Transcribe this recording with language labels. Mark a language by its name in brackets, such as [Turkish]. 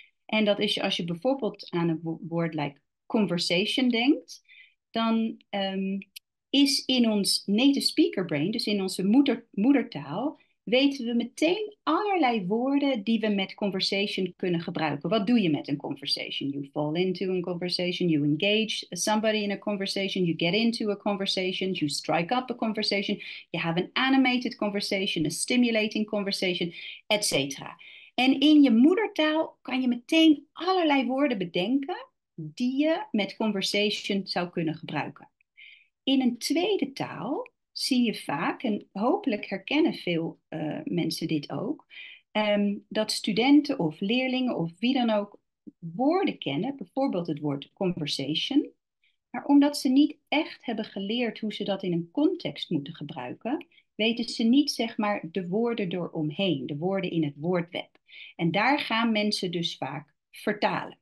[Dutch] En dat is als je bijvoorbeeld aan een woord like conversation denkt, dan is in ons native speaker brain, dus in onze moedertaal, weten we meteen allerlei woorden die we met conversation kunnen gebruiken. Wat doe je met een conversation? [English] You fall into a conversation, you engage somebody in a conversation, you get into a conversation, you strike up a conversation, you have an animated conversation, a stimulating conversation, et cetera. [Dutch] En in je moedertaal kan je meteen allerlei woorden bedenken die je met conversation zou kunnen gebruiken. In een tweede taal zie je vaak, en hopelijk herkennen veel mensen dit ook, dat studenten of leerlingen of wie dan ook woorden kennen, bijvoorbeeld het woord conversation, maar omdat ze niet echt hebben geleerd hoe ze dat in een context moeten gebruiken, weten ze niet zeg maar de woorden eromheen, de woorden in het woordweb. En daar gaan mensen dus vaak vertalen.